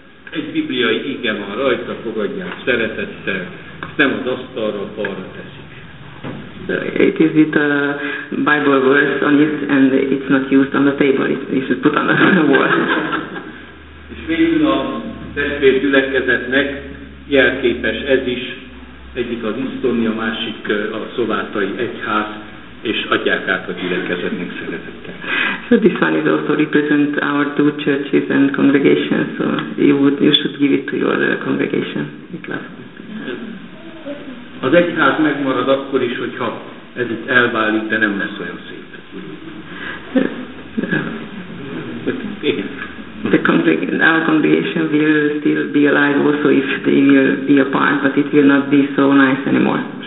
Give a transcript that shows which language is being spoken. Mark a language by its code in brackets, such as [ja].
[hu] Egy bibliai ige van rajta, fogadják szeretettel, nem az asztalra, balra teszik. [en] It is with a Bible verse on it, and it's not used on the table, it is put on the wall. [hu] És végül a testvér gyülekezetnek jelképes ez is, egyik az Isztoni, a másik a szovátai egyház, és adják át a gyülekezetnek szeretettel. [en] So this one is also represent our two churches and congregations, so you should give it to your congregation. [hu] Az egyház megmarad akkor is, hogyha ez itt elválik, de nem lesz olyan szép. Igen. [en] The our congregation will still be alive also if they will be apart, but it will not be so nice anymore.